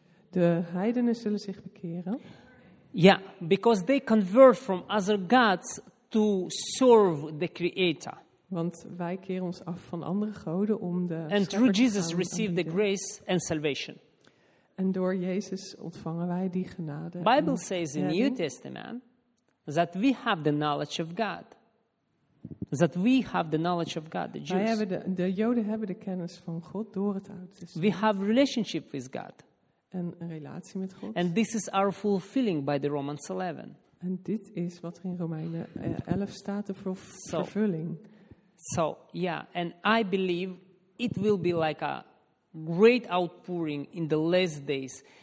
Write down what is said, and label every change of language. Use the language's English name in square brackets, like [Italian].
[Dutch] De heidenen zullen zich bekeren. [English] Yeah, because they convert from other gods to serve the creator. [Dutch] Want wij keren ons af van andere goden om de [English] And through Jesus receive the grace and salvation. [Dutch] En door Jezus ontvangen wij die genade. [English] Bible says in the New Testament that we have the knowledge of God. That we have the knowledge of God, the Jews. [Dutch] De Joden hebben de kennis van God door het Oude Testament. [English] We have relationship with God. [Dutch] En een relatie met God. [English] And this is our fulfilling by the Romans 11. [Dutch] En dit is wat er in Romeinen 11 staat, de vervulling. [English] So, and I believe it will be like a great outpouring in the last days.